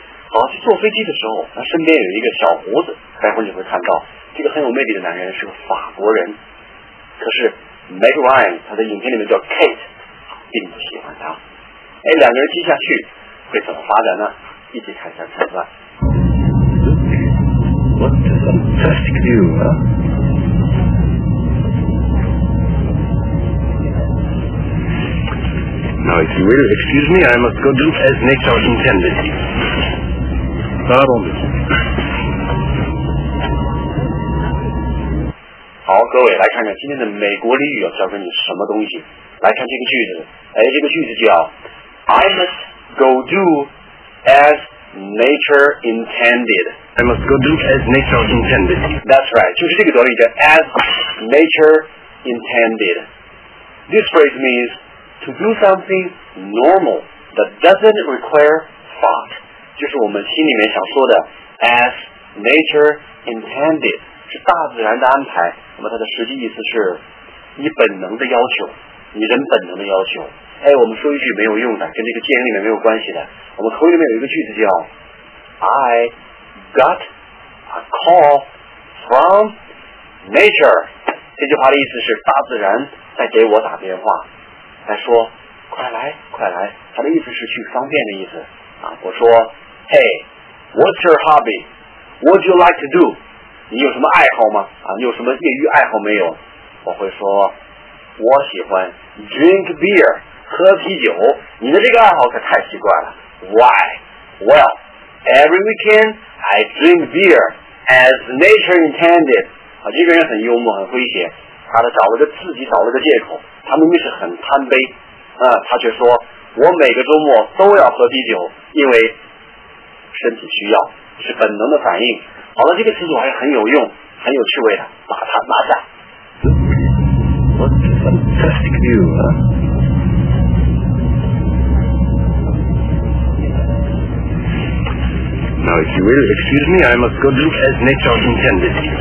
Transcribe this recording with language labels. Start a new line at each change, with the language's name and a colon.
Chinese: 好，去坐飞机的时候，他身边有一个小胡子，待会儿你会看到这个很有魅力的男人是个法国人。可是 Meg Ryan 他的影片里面叫 Kate， 并不喜欢他。哎，两个人接下去会怎么发展呢？一起看一下片段。
English: What does a plastic do, huh? Now, if you will, excuse me, I must go do as nature was intended. Pardon me.
Chinese: 好，各位来看看今天的美国俚语要教给你什么东西。来看这个句子，哎，这个句子叫
English: I must go do as nature intended. I must go do as nature intended. That's right.
Chinese: 就是这个短语叫
English: as nature intended. This phrase means to do something normal that doesn't require thought.
Chinese: 就是我们心里面想说的
English: as nature intended
Chinese: 是大自然的安排。那么它的实际意思是你本能的要求，你人本能的要求。哎，我们说一句没有用的，跟这个电影里面没有关系的。我们口语里面有一个句子叫
English: I got a call from nature，
Chinese: 这句话的意思是大自然在给我打电话，在说快来快来，它的意思是去方便的意思啊。
English: 我说 Hey， what's your hobby？ What do you like to do？
Chinese: 你有什么爱好吗？啊，你有什么业余爱好没有？我会说我喜欢
English: drink beer，
Chinese: 喝啤酒。你的这个爱好可太奇怪了。
English: Why? Well, every weekend I drink beer as nature intended.
Chinese: 啊，这个人很幽默，很诙谐，他的找了个自己找了个借口。他明明是很贪杯啊，他却说我每个周末都要喝啤酒，因为身体需要，是本能的反应。好了，这个词组还是很有用，很有趣味的，把它拿下。
English: What a fantastic view, huh? Now, if you will, excuse me, I must go do as nature intended.